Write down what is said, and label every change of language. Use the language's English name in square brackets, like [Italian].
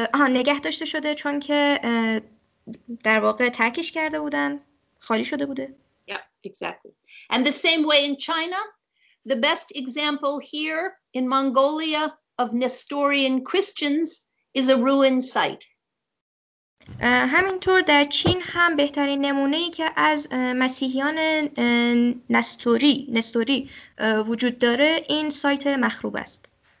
[Persian] نگه داشته شده چون که در واقع ترکش کرده بودن، خالی شده بوده. [English] Yeah, exactly. And the same way in China, the best example here in Mongolia of Nestorian Christians is a ruined site. [Persian] همینطور در چین هم بهترین نمونه ای که از مسیحیان نستوری وجود داره این سایت مخروب است.